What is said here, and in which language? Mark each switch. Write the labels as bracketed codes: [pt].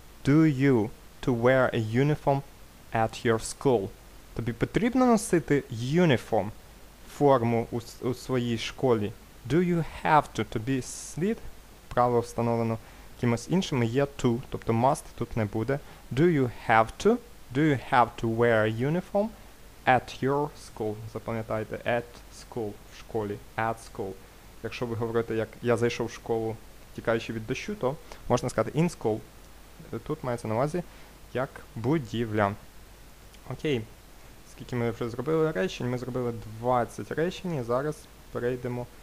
[en] Do you to wear a uniform at your school? [uk] Тобі потрібно носити uniform, форму у своїй школі. [en] Do you have to? [uk] Тобі слід, право встановлено кимось іншим, є to, тобто must тут не буде. [en] Do you have to? Do you have to wear a uniform at your school? [uk] Запам'ятайте, at school, в школі, at school. Якщо ви говорите, як я зайшов в школу, тікаючи від дощу, то можна сказати in school. Тут мається на увазі як будівля. Окей. Скільки ми вже зробили речень? Ми зробили 20 речень, і зараз перейдемо.